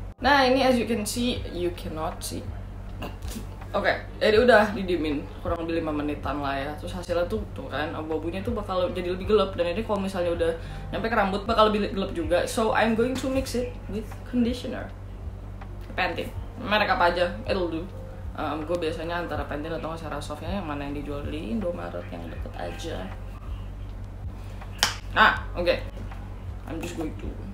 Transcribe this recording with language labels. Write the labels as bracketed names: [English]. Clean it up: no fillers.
[English] Nah, ini as you can see, you cannot see. [Indonesian] Oke, jadi udah didiemin kurang lebih 5 menitan lah ya. Terus hasilnya tuh kan, abu-abunya tuh bakal jadi lebih gelap. Dan ini kalau misalnya udah nyampe ke rambut bakal lebih gelap juga. [English] So, I'm going to mix it with conditioner. [Indonesian] Pantene, merek apa aja, [English] it'll do. [Indonesian] Gue biasanya antara Pantene atau Cerasoft-nya, yang mana yang dijual di Indomaret, yang deket aja. Nah, oke. [English] Okay. I'm just going to.